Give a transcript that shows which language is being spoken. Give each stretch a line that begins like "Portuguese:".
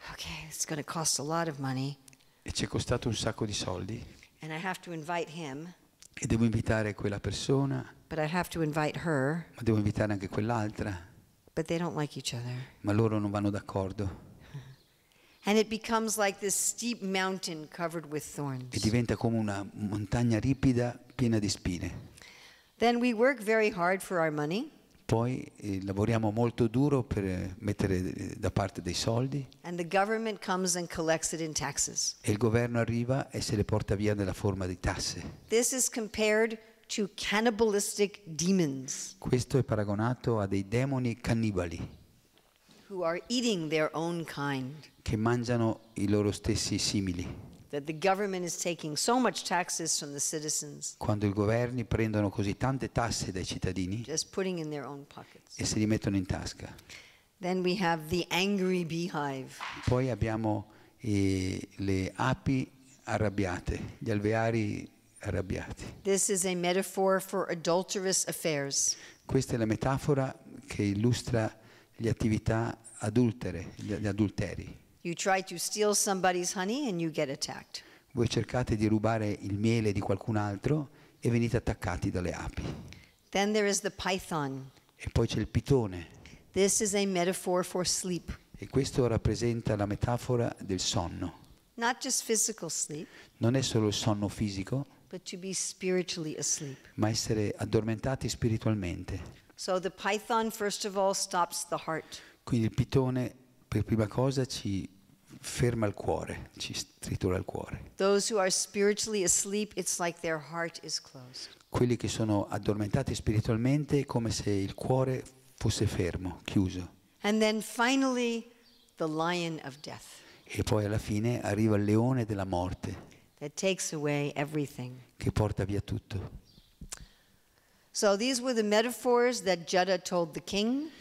English: Okay, it's going to cost a lot of money.
Italian: E ci è costato un sacco di soldi.
English: And I have to invite him.
Italian: E devo invitare quella persona.
English: But I have to invite her.
Italian: Ma devo invitare anche quell'altra.
English: But they don't like each other.
Italian: Ma loro non vanno d'accordo.
English: And it becomes like this steep mountain covered with thorns.
Italian: E diventa come una montagna ripida piena di spine.
English: Then we work very hard for our money.
Italian: Poi lavoriamo molto duro per mettere da parte dei soldi.
English: And the government comes and collects it in taxes.
Italian: E il governo arriva e se le porta via nella forma di tasse.
English: This is compared to cannibalistic demons.
Italian: Questo è paragonato a dei demoni cannibali.
English: Who are eating their own kind.
Italian: Che mangiano i loro stessi simili.
English: That the government is taking so much taxes from the citizens.
Italian: Quando i governi prendono così tante tasse dai cittadini.
English: Just putting in their own pockets.
Italian: E se li mettono in tasca.
English: Then we have the angry beehive.
Italian: Poi abbiamo le api arrabbiate, gli alveari arrabbiati.
English: This is a metaphor for adulterous affairs.
Italian: Questa è la metafora che illustra le attività adultere, gli adulteri.
English: You try to steal somebody's honey and you get attacked.
Italian: Voi cercate di rubare il miele di qualcun altro e venite attaccati dalle api.
English: Then there is the python.
Italian: E poi c'è il pitone.
English: This is a metaphor for sleep.
Italian: E questo rappresenta la metafora del sonno.
English: Not just physical sleep.
Italian: Non è solo il sonno fisico.
English: But to be spiritually asleep.
Italian: Ma essere addormentati spiritualmente.
English: So the python first of all stops the heart.
Italian: Quindi il pitone per prima cosa ci ferma il cuore, ci tritura il cuore.
English: Those who are spiritually asleep, it's like their heart is closed.
Italian: Quelli che sono addormentati spiritualmente è come se il cuore fosse fermo, chiuso.
English: And then finally the lion of death.
Italian: E poi alla fine arriva il leone della morte.
English: That takes away everything.
Italian: Che porta via tutto.
English: So these were the metaphors that Judah told the king.